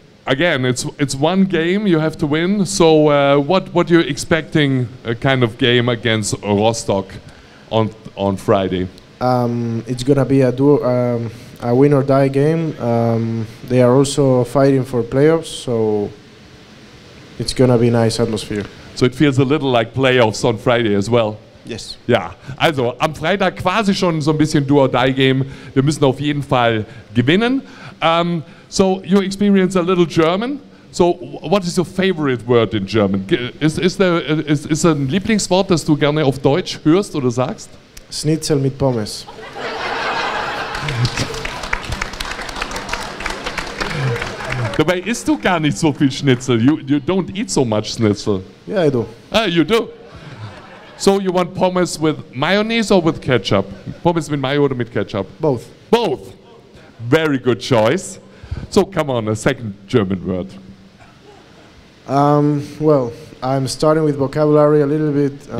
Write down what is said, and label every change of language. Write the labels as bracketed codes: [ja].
[en] Again, it's one game you have to win. So, what are you expecting a kind of game against Rostock on Friday? It's gonna be a win or die game. They are also fighting for playoffs, so it's gonna be a nice atmosphere. So it feels a little like playoffs on Friday as well. Yes. [de] Ja, also am Freitag quasi schon so ein bisschen [en] do or die game. [de] Wir müssen auf jeden Fall gewinnen. [en] So you experience a little German. So what is your favorite word in German? [de] Is ein Lieblingswort, das du gerne auf Deutsch hörst oder sagst? Schnitzel mit Pommes. Dabei isst du gar nicht so viel Schnitzel. [en] You don't eat so much Schnitzel. Yeah, I do. Ah, you do. So you want Pommes with mayonnaise or with ketchup? [de] Pommes mit Mayo oder mit Ketchup? [en] Both. Both. Very good choice. So, come on, a second German word. Well, I'm starting with vocabulary a little bit.